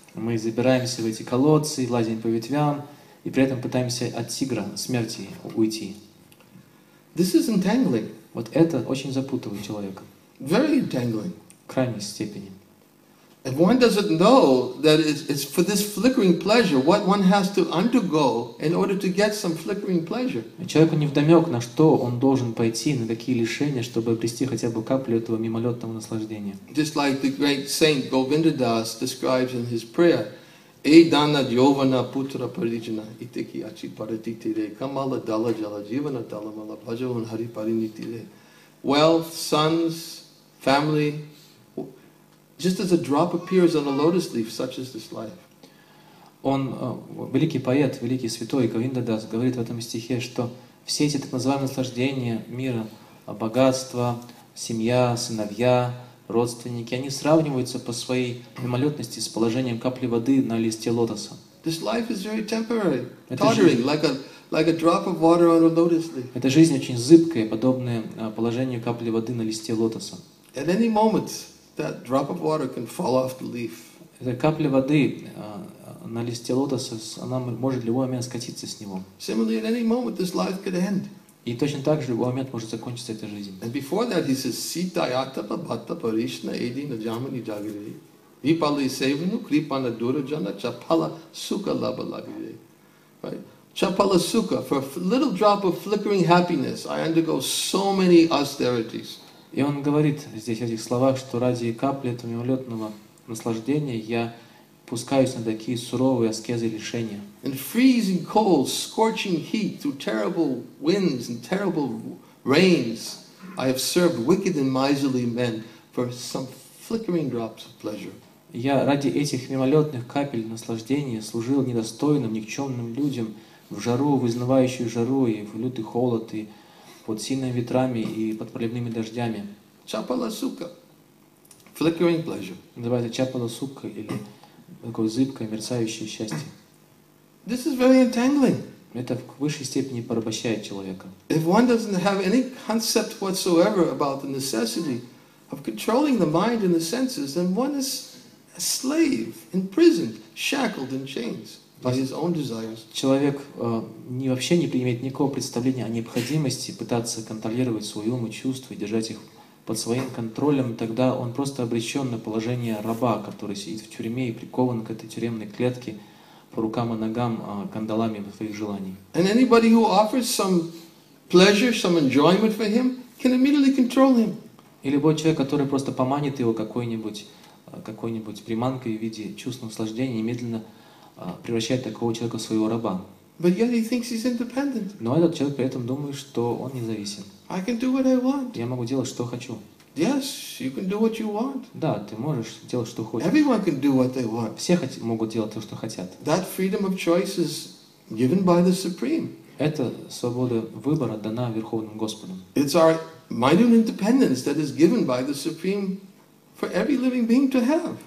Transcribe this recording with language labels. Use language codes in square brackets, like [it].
[ru] Мы забираемся в эти колодцы, лазим по ветвям, и при этом пытаемся от тигра, смерти, уйти. [en] This is entangling. [ru] Вот это очень запутывает человека. [en] Very entangling. [ru] В крайней степени. [en] And one doesn't know that it's for this flickering pleasure, what one has to undergo in order to get some flickering pleasure. [ru] Человеку невдомек, на что он должен пойти, на какие лишения, чтобы обрести хотя бы каплю этого мимолетного наслаждения. [en] Just like the great saint Govinda Das describes in his prayer, Эйдана Дьована Путра Париджина Итеки Ачи Паратитире Камала Дала Джала Дживана Дала Мала Баджаван Хари Паринитире. Wealth, sons, family, just as a drop appears on a lotus leaf, such is this life. [ru] Он, великий поэт, великий святой Говинда Дас говорит в этом стихе, что все эти так называемые наслаждения мира, богатство, семья, сыновья, родственники, они сравниваются по своей мимолетности с положением капли воды на листе лотоса. [en] This life is very temporary, tottering, like a drop of water on a lotus leaf. [ru] Эта жизнь очень зыбкая, подобная положению капли воды на листе лотоса. [en] At any moment, that drop of water can fall off the leaf. [ru] Эта капля воды на листе лотоса, она может в любой момент скатиться с него. [en] Similarly, at any moment, this life could end. [ru] И точно так же в любой момент может закончиться эта жизнь. [en] And before that, he says, Sitayatapa bhatta parishna edi najamani jagire. Vipali sevanu kripana durajana chapala sukha labalagire. Right? Chapala sukha, for a little drop of flickering happiness, I undergo so many austerities. [ru] И он говорит здесь в этих словах, что ради капли этого мимолетного наслаждения я пускаюсь на такие суровые аскезы и лишения. [en] And freezing cold, scorching heat, through terrible winds and terrible rains, I have served wicked and miserly men for some flickering drops of pleasure. [ru] Я ради этих мимолетных капель наслаждения служил недостойным, никчемным людям в жару, в изнывающую жару, и в лютый холод, и под сильными ветрами, и под проливными дождями. Чапала сука. [en] Flickering pleasure. [ru] Называется чапала сука, или такое зыбкое, мерцающее счастье. [en] This is very entangling. [ru] Это в высшей степени порабощает человека. [en] If one doesn't have any concept whatsoever about the necessity of controlling the mind and the senses, then one is a slave, imprisoned, shackled in chains by his own desires. [ru] Человек вообще не имеет никакого представления о необходимости пытаться контролировать свой ум и чувства и держать их под своим контролем, тогда он просто обречен на положение раба, который сидит в тюрьме и прикован к этой тюремной клетке по рукам и ногам кандалами своих желаний. [en] And anybody who offers some pleasure, some enjoyment for him, can immediately control him. [ru] И любой человек, который просто поманит его какой-нибудь приманкой в виде чувственного наслаждения, немедленно превращает такого человека в своего раба. [en] But yet he thinks he's independent. [ru] Но этот человек при этом думает, что он независим. [en] I can do what I want. [ru] Я могу делать, что хочу. [en] Yes, you can do what you want. [ru] Да, ты можешь делать, что хочешь. [en] Everyone can do what they want. [ru] Все могут делать то, что хотят. [en] That freedom of choice is given by the Supreme. [ru] Это свобода выбора дана Верховным Господом. [en] It's our minute independence that is given by the Supreme for every living being to have.